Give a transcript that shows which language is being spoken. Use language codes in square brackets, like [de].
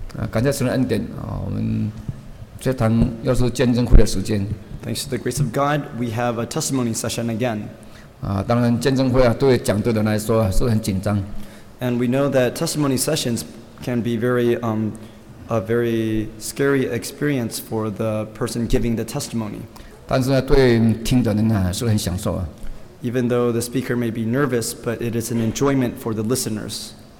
[zh] 感谢神的恩典，我们这堂又是见证会的时间。 [en] Thanks to the grace of God, we have a testimony session again. [zh] 当然见证会对讲对的人来说是很紧张。 [en] And we know that testimony sessions can be a very scary experience for the person giving the testimony. [zh] 但是对听的人是很享受。 [en] Even though the speaker may be nervous, but it is an enjoyment for the listeners.